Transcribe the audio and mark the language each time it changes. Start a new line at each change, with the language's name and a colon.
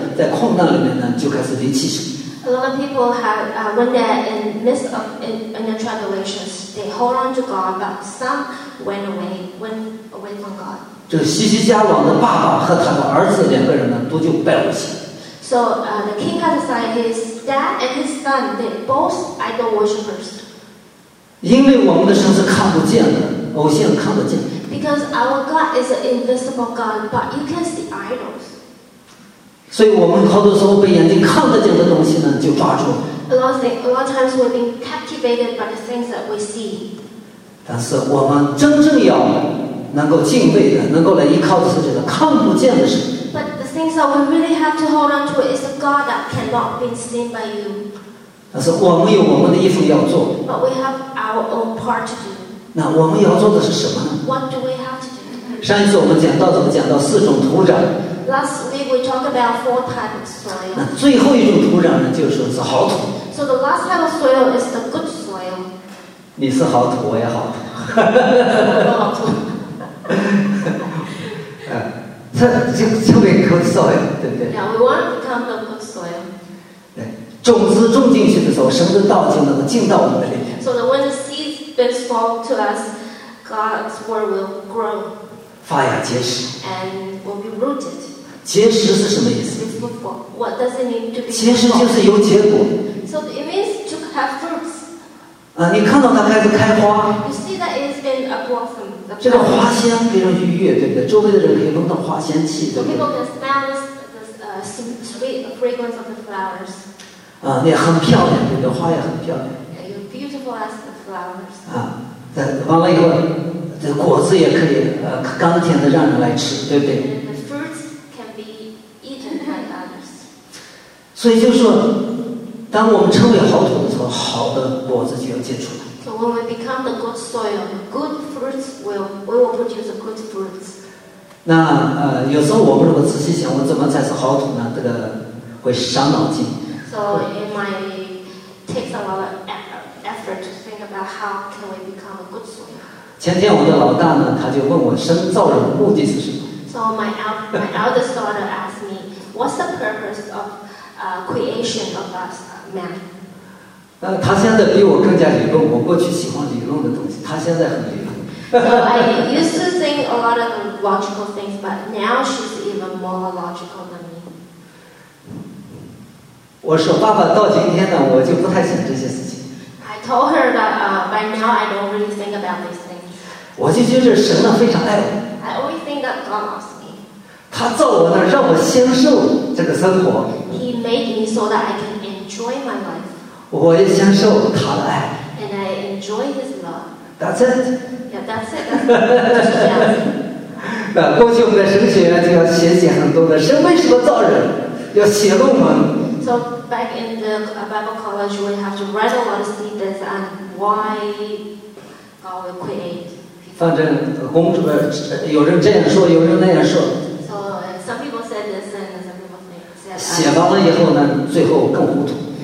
Chinese: 在历史上呢，好多人他就在困难里面开始更加的依靠神，另外一些人呢，在困难里面呢，就开始离弃神。
English: A lot of people have, when they're in the midst of in their tribulations, they hold on to God, but some went away from God.
Chinese: 这个西西家王的爸爸和他的儿子两个人呢，都就拜偶像。
English: So, the king had assigned his dad and his son, they both idol worshippers.
Chinese: 因为我们的神是看不见的，偶像看不见。
English: Because our God is an invisible God, but you can see idols.
Chinese: 所以我们好多时候被眼睛看得见的东西呢，就抓住。
English: A lot of times we've been captivated by the things that we see.
Chinese: 但是我们真正要能够敬畏的，能够来依靠的是这个看不见的神。
English: But the things that we really have to hold on to is a God that cannot be seen by you.
Chinese: 但是我们有我们的衣服要做。
English: But we have our own part to do.
Chinese: 那我们要做的是什么呢？
English: What do we have to do?
Chinese: 上一次我们讲到怎么讲到四种土壤。
English: Last week we talked about four types of soil.
Chinese: 那最后一种土壤呢，就是说是好土。
English: So the last type of soil is the good soil.
Chinese: 你是好土，我也好土。好土。就变
English: good soil，
Chinese: 对不对？
English: Yeah, we want to become the good soil.
Chinese: 对，种子种进去的时候，神的道就能够进到我们的里面。
English: So that when the seeds been sown to us, God's word will grow.
Chinese: 发芽结实。
English: And will be rooted.
Chinese: 结实是什么意思？
English: It's fruitful. What does it mean to be?
Chinese: 结实就是有结果。
English: So it means to have fruits.
Chinese: 啊，你看到它开始开花。
English: You see that it's been a blossom.
Chinese: 这个花香非常愉悦，对不对？周围的人可以闻到花香气，对不对？
English: So people can smell the sweet fragrance of the flowers.
Chinese: 啊，那很漂亮，对不对？花也很漂亮。
English: You're beautiful as the flowers.
Chinese: 啊，在完了以后，这果子也可以，甘甜的让人来吃，对不对？
English: And the fruits can be eaten by others.
Chinese: 所以就是说，当我们称为好土的时候，好的果子就要结出来。
English: So when we become the good soil, good fruits will produce good fruits.
Chinese: 那有时候我们如果仔细想，我怎么才是好土呢？这个会伤脑筋。
English: So it might take a lot of effort to think about how can we become a good soil.
Chinese: 前天我的老大呢，他就问我神造人的目的是什么。
English: So my eldest daughter asked me, what's the purpose of creation of us man?
Chinese: 他现在比我更加理论，我过去喜欢理论的东西，他现在很理论。
English: So I used to think a lot of logical things, but now she's even more logical than me.
Chinese: 我说爸爸到今天呢，我就不太想这些事情。
English: I told her that by now I don't really think about these things.
Chinese: 我就觉得神呢非常爱我。
English: I always think that God loves me.
Chinese: 他造我呢，让我享受这个生活。
English: He made me so that I can enjoy my life.
Chinese: 我也享受他的爱。
English: And I enjoy his love. That's it. Yeah, that's it.
Chinese: 那过去我们在神学院就要写写很多的神为什么造人，要写论文。
English: So back in the Bible college, we have to write a lot of statements on why God will create.
Chinese: 反正公主有人这样说，有人那样说。
English: So some people said this and some people said that.
Chinese: 写完了以后呢，最后更糊涂。